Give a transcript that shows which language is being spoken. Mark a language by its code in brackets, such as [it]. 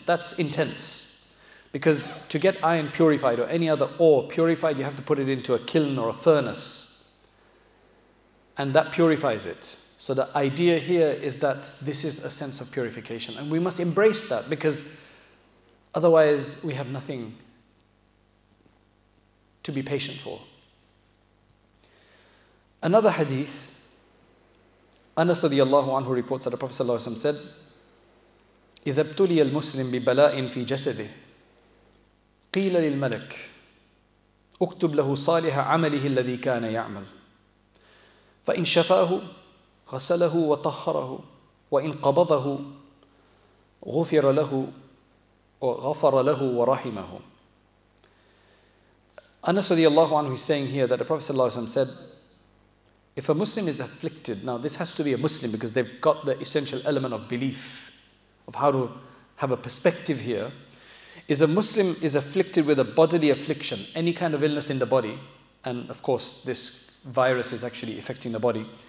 [en] That's intense. Because to get iron purified or any other ore purified, you have to put it into a kiln or a furnace. And that purifies it. So the idea here is that this is a sense of purification. And we must embrace that, because otherwise we have nothing to be patient for. Another hadith, Anas radiallahu anhu reports that the Prophet sallallahu alaihi wasallam said, [ar] إذا ابتلي المسلم ببلاء في جسده قيل للملك اكتب له صالح عمله الذي كان يعمل فإن شفاه غسله وطهره وإن قبضه غفر له وغفر له ورحمه. [en] Anas رضي الله عنه is saying here that the Prophet صلى الله عليه وسلم said, if a Muslim is afflicted, now this has to be a Muslim because they've got the essential element of belief, of how to have a perspective here, is a Muslim is afflicted with a bodily affliction, any kind of illness in the body, and of course this virus is actually affecting the body,